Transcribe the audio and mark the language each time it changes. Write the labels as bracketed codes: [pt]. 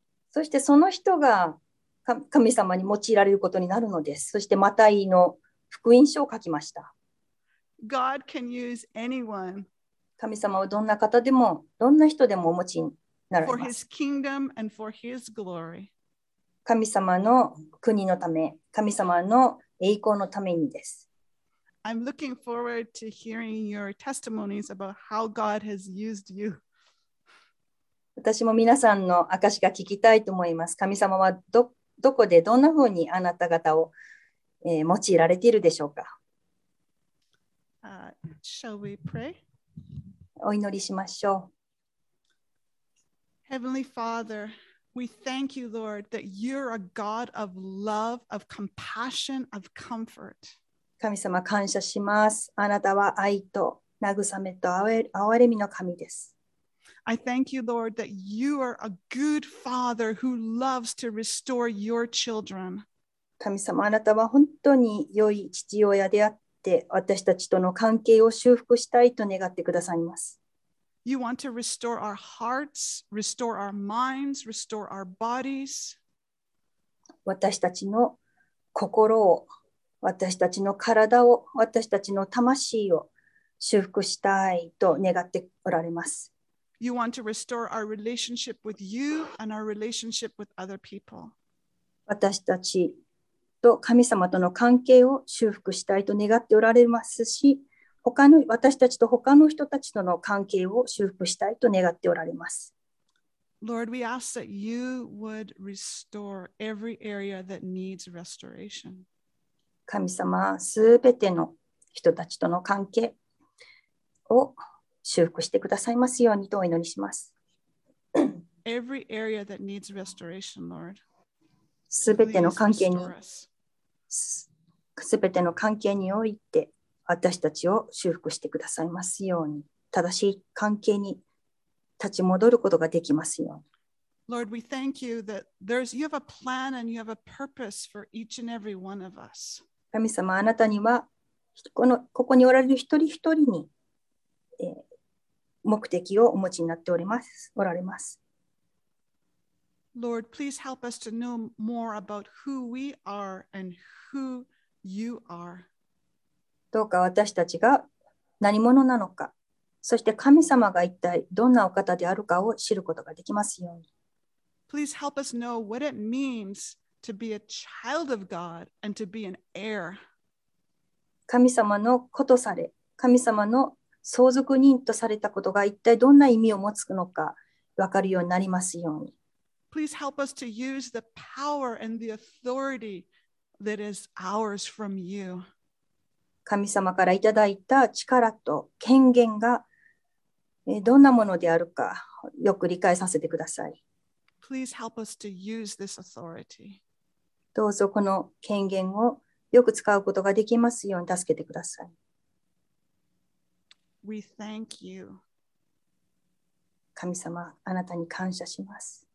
[ja] そしてその人が神様に用いられることになるのです。そしてマタイの福音書を書きました。 [en] God can use anyone. [ja] 神様はどんな方でも、どんな人でもお持ちに。 [en] For his kingdom and for his glory. [ja] 神様の国のため、神様の栄光のためにです。 [en] I'm looking forward to hearing your testimonies about how God has used you. [ja] 私も皆さんの証が聞きたいと思います。神様はどこでどんなふうにあなた方を、用いられているでしょうか。 [en] Shall we pray? [ja] お祈りしましょう。 [en] Heavenly Father, we thank you, Lord, that you're a God of love, of compassion, of comfort. [ja] 神様感謝します。あなたは愛と慰めと憐れみの神です。 [en] I thank you, Lord, that you are a good Father who loves to restore your children. [ja] 神様、あなたは本当に良い父親であって、私たちとの関係を修復したいと願ってくださいます。 [en] You want to restore our hearts, restore our minds, restore our bodies. [ja] 私たちの心を、私たちの体を、私たちの魂を修復したいと願っておられます。 [en] You want to restore our relationship with you and our relationship with other people. [ja] 私たちと神様との関係を修復したいと願っておられますし、他の私たちと他の人たちとの関係を修復したいと願っておられます。 [en] Lord, we ask that you would restore every area that needs restoration. [ja] 神様、すべての人たちとの関係を修復してくださいますようにとお祈りします。 [en] Every area that needs restoration, Lord. [ja] すべての関係に、すべての関係において、私たちを修復してくださいますように、正しい関係に立ち戻ることができますように。 [en] Lord, we thank you that you have a plan and you have a purpose for each and every one of us. [ja] 神様、あなたにはここにおられる一人一人に、目的をお持ちになっております。おられます。 [en] Lord, please help us to know more about who we are and who you are. [ja] どうか私たちが何者なのか、そして神様が一体どんなお方であるかを知ることができますように。 [en] Please help us know what it means to be a child of God and to be an heir. [ja] 神様の子とされ、神様の相続人とされたことが一体どんな意味を持つのか分かるようになりますように。 [en] Please help us to use the power and the authority that is ours from you. [ja] 神様からいただいた力と権限がどんなものであるかよく理解させてください。 [en] Please help us to use this authority. [ja] どうぞこの権限をよく使うことができますように助けてください。 [en] We thank you. [ja] 神様、あなたに感謝します。